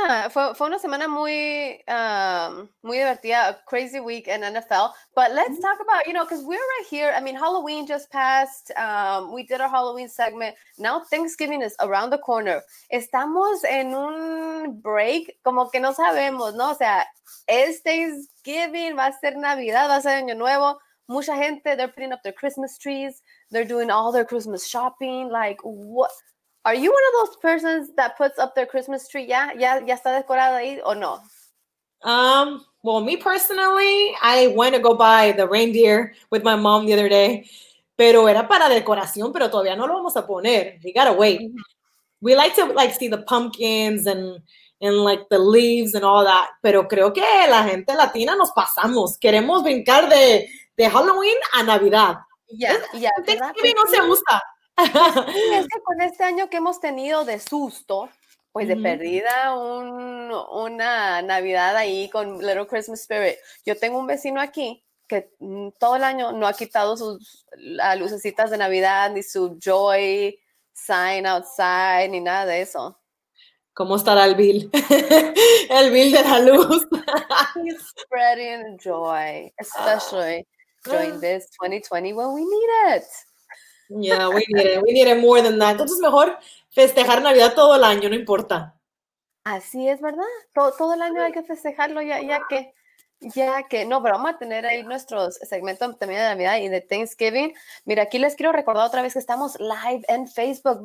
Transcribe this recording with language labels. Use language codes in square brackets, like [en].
[es] Fue una semana muy, muy divertida, [en] a crazy week in NFL. But let's talk about, you know, because we're right here. I mean, Halloween just passed. We did our Halloween segment. Now Thanksgiving is around the corner. [es] Estamos en un break, como que no sabemos, ¿no? O sea, es Thanksgiving, va a ser Navidad, va a ser Año Nuevo. Mucha gente, [en] they're putting up their Christmas trees. They're doing all their Christmas shopping. Like, what? Are you one of those persons that puts up their Christmas tree? Yeah, yeah, [es] ya está decorada ahí o no? [en] Well, me personally, I went to go buy the reindeer with my mom the other day. [es] Pero era para decoración, pero todavía no lo vamos a poner. [en] We gotta wait. We like to like see the pumpkins and like the leaves and all that. [es] Pero creo que la gente latina nos pasamos. Queremos brincar de Halloween a Navidad. [en] Thanksgiving [es] no se gusta. Es que con este año que hemos tenido de susto, pues de perdida una Navidad ahí con [en] Little Christmas Spirit. [es] Yo tengo un vecino aquí que todo el año no ha quitado sus lucecitas de Navidad ni su [en] joy sign outside [es] ni nada de eso. ¿Cómo estará el bill? El bill de la luz. [en] He's spreading joy, especially during this 2020 when we need it. Yeah, we need it more than that. [es] Entonces, mejor festejar Navidad todo el año, no importa. Así es, ¿verdad? Todo el año hay que festejarlo, ya que, no, pero vamos a tener ahí nuestro segmento también de Navidad y de Thanksgiving. Mira, aquí les quiero recordar otra vez que estamos live en Facebook.